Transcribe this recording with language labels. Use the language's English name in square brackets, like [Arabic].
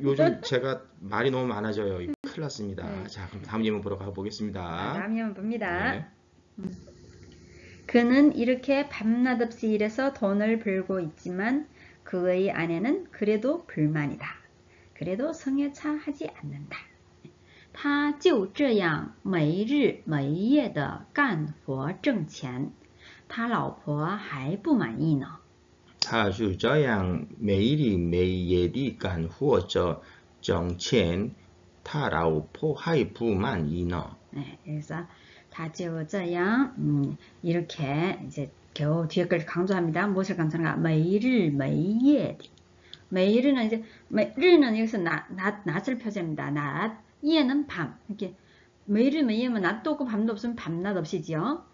[Korean] 요즘 제가 말이 너무 많아져요. 큰일 났습니다. 자, 그럼 다음 예문 보러 가보겠습니다. 다음 예문 봅니다. 네. 그는 이렇게 밤낮없이 일해서 돈을 벌고 있지만 그의 아내는 그래도 불만이다. 그래도 성에 차하지 않는다. [Chinese] 他就这样没日没夜的干活挣钱，他老婆还不满意呢。他就这样没日没夜的干活着挣钱，他老婆还不满意呢。 [Korean] 哎，그래서 [Chinese] 他就这样， [Korean] 이렇게이제겨우 뒤에 걸 강조합니다. 무엇을 강조하는가? 매일 매일 매일은 이제 매일은 여기서 낮을 표시합니다. 낮 이에는 밤 이렇게 매일 매일은 낮도 없고 밤도 없으면 밤낮 없이지요.